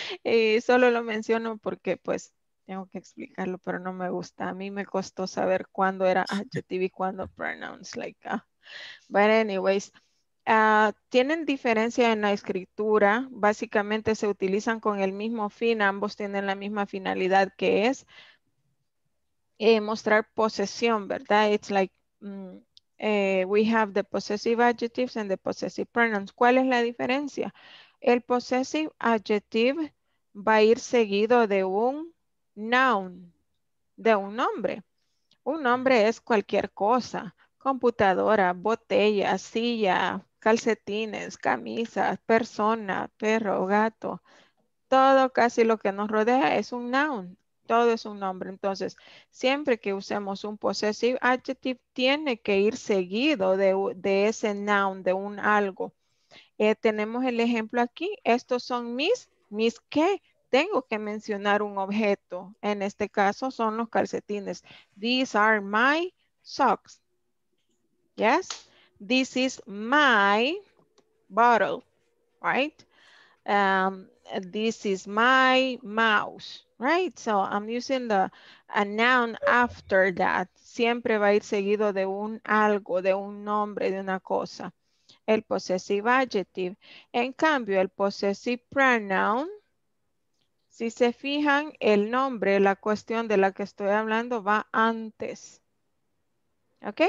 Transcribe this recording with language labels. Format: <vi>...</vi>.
<es>Y solo lo menciono porque pues tengo que explicarlo, pero no me gusta. A mí me costó saber cuándo era adjective y cuándo pronouns.</es> <en>Like, but anyways,</en> <es>tienen diferencia en la escritura. Básicamente se utilizan con el mismo fin, ambos tienen la misma finalidad, que es mostrar posesión, ¿verdad?</es> <en>It's like we have the possessive adjectives and the possessive pronouns.</en> <es>¿Cuál es la diferencia? El possessive adjective va a ir seguido de un noun, de un nombre. Un nombre es cualquier cosa: computadora, botella, silla, calcetines, camisas, persona, perro, gato. Todo casi lo que nos rodea es un noun. todo es un nombre. Entonces, siempre que usemos un possessive adjective, tiene que ir seguido de ese noun, de un algo. Tenemos el ejemplo aquí. Estos son mis. ¿Mis qué? Tengo que mencionar un objeto. En este caso son los calcetines.</es> <en>These are my socks. Yes. This is my bottle. Right. This is my mouse. Right. So I'm using the a noun after that.</en> <es>Siempre va a ir seguido de un algo, de un nombre, de una cosa. El possessive adjective. En cambio, el possessive pronoun, si se fijan, el nombre, la cuestión de la que estoy hablando va antes. ¿Ok?</es>